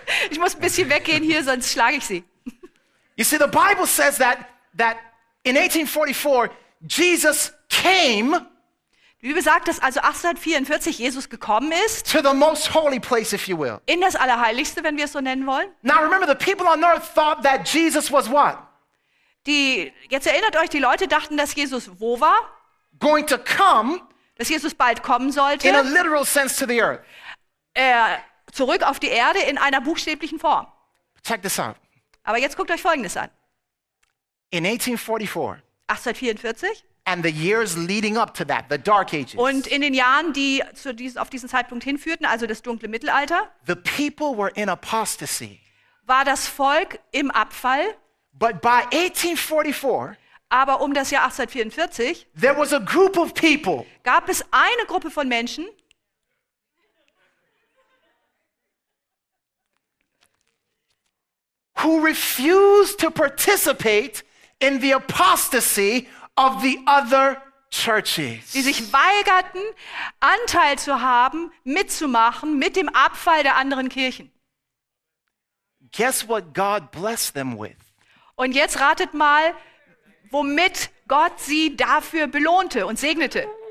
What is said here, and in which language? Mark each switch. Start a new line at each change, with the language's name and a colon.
German: Ich muss ein bisschen weggehen hier, sonst schlage ich sie.
English: You see, the Bible says that in 1844 Jesus came.
German: Die Bibel sagt, dass also 1844 Jesus gekommen ist.
English: To the most holy place, if you will.
German: In das Allerheiligste, wenn wir es so nennen wollen.
English: Now remember, the people on earth thought that Jesus was what?
German: Jetzt erinnert euch, die Leute dachten, dass Jesus wo war?
English: Going to come.
German: Dass Jesus bald kommen sollte.
English: In a literal sense to the earth.
German: Zurück auf die Erde in einer buchstäblichen Form.
English: Check this out.
German: Aber jetzt guckt euch Folgendes an.
English: In 1844.
German: 1844.
English: And the years leading up to that, the Dark Ages.
German: Und in den Jahren, die zu diesem, auf diesen Zeitpunkt hinführten, also das dunkle Mittelalter.
English: The people were in apostasy.
German: War das Volk im Abfall?
English: But by 1844.
German: Aber um das Jahr 1844.
English: There was a group of people.
German: Gab es eine Gruppe von Menschen?
English: Who refused to participate in the apostasy of the other churches.
German: Die sich weigerten, Anteil zu haben, mitzumachen mit dem Abfall der anderen Kirchen.
English: Guess what God blessed them with.
German: Und jetzt ratet mal, womit Gott sie dafür belohnte und segnete.